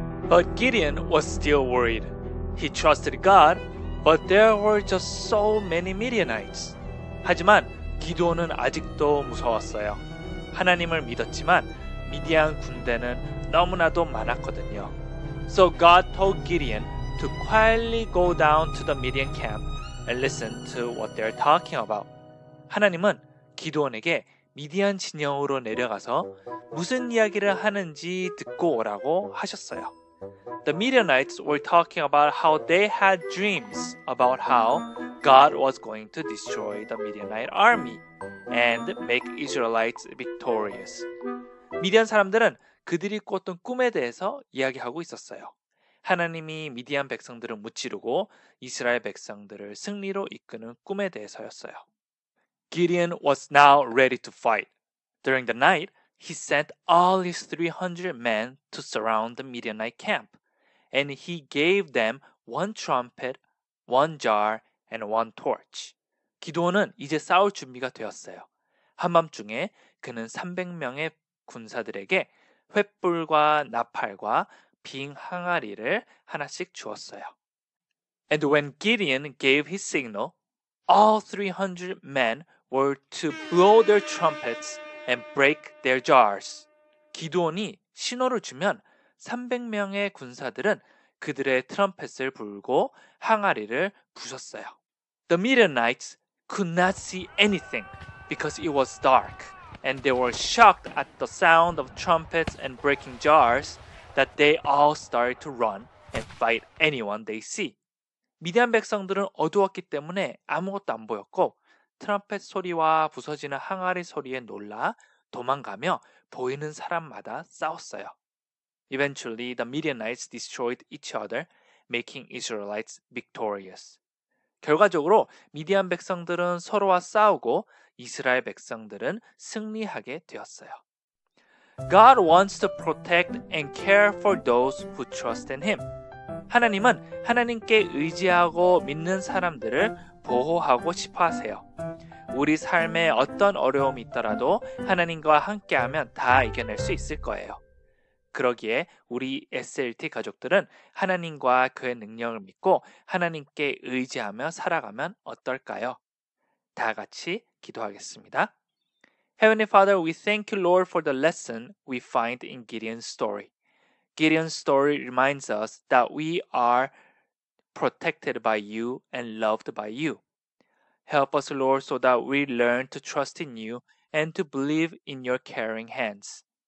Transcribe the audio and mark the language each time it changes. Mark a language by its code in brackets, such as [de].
[en] But Gideon was still worried. He trusted God, but there were just so many Midianites. [ko] 하지만 기드온은 아직도 무서웠어요. 하나님을 믿었지만 미디안 군대는 너무나도 많았거든요. [en] So God told Gideon to quietly go down to the Midian camp and listen to what they're talking about. [ko] 하나님은 기드온에게 미디안 진영으로 내려가서 무슨 이야기를 하는지 듣고 오라고 하셨어요. [en] The Midianites were talking about how they had dreams about how God was going to destroy the Midianite army and make Israelites victorious. [ko] 미디안 사람들은 그들이 꾸었던 꿈에 대해서 이야기하고 있었어요. 하나님이 미디안 백성들을 무찌르고 이스라엘 백성들을 승리로 이끄는 꿈에 대해서였어요. [en] Gideon was now ready to fight. During the night, he sent all his 300 men to surround the Midianite camp, and he gave them one trumpet, one jar, and one torch. [ko] 기드온은 이제 싸울 준비가 되었어요. 한밤중에 그는 300명의 군사들에게 횃불과 나팔과 빙 항아리를 하나씩 주었어요. [en] And when Gideon gave his signal, all 300 men were to blow their trumpets and break their jars. [ko] 기드온이 신호를 주면 300명의 군사들은 그들의 트럼펫을 불고 항아리를 부셨어요. [en] The Midianites could not see anything because it was dark, and they were shocked at the sound of trumpets and breaking jars that they all started to run and fight anyone they see. [ko] 미디안 백성들은 어두웠기 때문에 아무것도 안 보였고 트럼펫 소리와 부서지는 항아리 소리에 놀라 도망가며 보이는 사람마다 싸웠어요. [en] Eventually, the Midianites destroyed each other, making Israelites victorious. [ko] 결과적으로 미디안 백성들은 서로와 싸우고 이스라엘 백성들은 승리하게 되었어요. [en] God wants to protect and care for those who trust in Him. [ko] 하나님은 하나님께 의지하고 믿는 사람들을 보호하고 싶어 하세요. 우리 삶에 어떤 어려움이 있더라도 하나님과 함께하면 다 이겨낼 수 있을 거예요. 그러기에 우리 SLT 가족들은 하나님과 그의 능력을 믿고 하나님께 의지하며 살아가면 어떨까요? 다 같이 기도하겠습니다. [en] Heavenly Father, we thank you, Lord, for the lesson we find in Gideon's story. Gideon's story reminds us that we are protected by you and loved by you. Help us, Lord, so that we learn to trust in you and to believe in your caring hands.